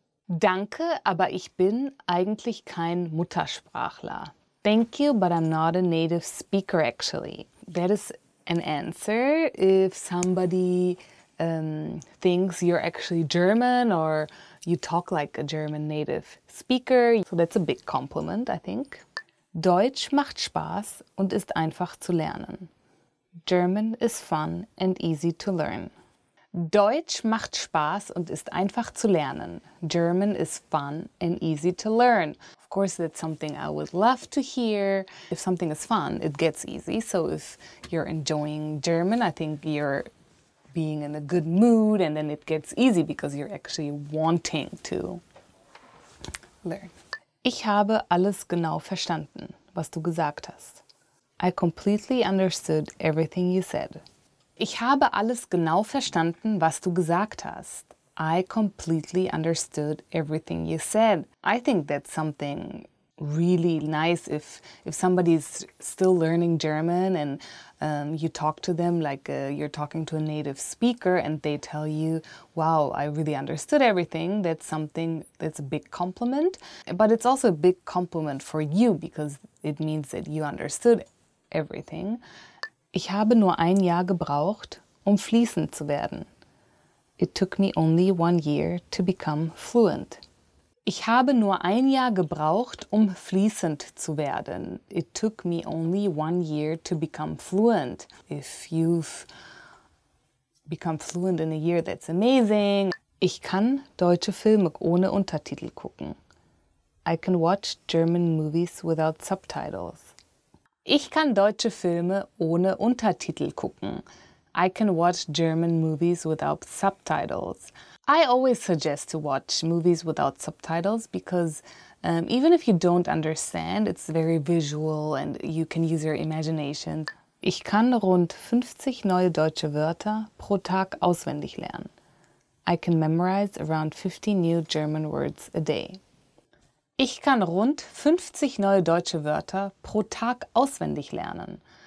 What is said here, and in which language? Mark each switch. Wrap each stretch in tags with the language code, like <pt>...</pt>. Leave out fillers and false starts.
<de>Danke, aber ich bin eigentlich kein Muttersprachler.</de> <en>Thank you, but I'm not a native speaker actually. That is an answer if somebody thinks you're actually German or you talk like a German native speaker. So that's a big compliment, I think.</en> <de>Deutsch macht Spaß und ist einfach zu lernen.</de> <en>German is fun and easy to learn.</en> <de>Deutsch macht Spaß und ist einfach zu lernen.</de> <en>German is fun and easy to learn. Of course, that's something I would love to hear. If something is fun, it gets easy. So if you're enjoying German, I think you're being in a good mood and then it gets easy because you're actually wanting to learn.</en> <de>Ich habe alles genau verstanden, was du gesagt hast.</de> <en>I completely understood everything you said.</en> <de>Ich habe alles genau verstanden, was du gesagt hast.</de> <en>I completely understood everything you said. I think that's something really nice if somebody's still learning German and you talk to them like you're talking to a native speaker and they tell you, wow, I really understood everything. That's something that's a big compliment. But it's also a big compliment for you because it means that you understood everything.</en> <de>Ich habe nur ein Jahr gebraucht, um fließend zu werden.</de> <en>It took me only 1 year to become fluent.</en> <de>Ich habe nur ein Jahr gebraucht, um fließend zu werden.</de> <en>It took me only 1 year to become fluent. If you've become fluent in a year, that's amazing.</en> <de>Ich kann deutsche Filme ohne Untertitel gucken.</de> <en>I can watch German movies without subtitles.</en> <de>Ich kann deutsche Filme ohne Untertitel gucken.</de> <en>I can watch German movies without subtitles. I always suggest to watch movies without subtitles because even if you don't understand, it's very visual and you can use your imagination.</en> <de>Ich kann rund 50 neue deutsche Wörter pro Tag auswendig lernen.</de> <en>I can memorize around 50 new German words a day.</en> <de>Ich kann rund 50 neue deutsche Wörter pro Tag auswendig lernen.</de>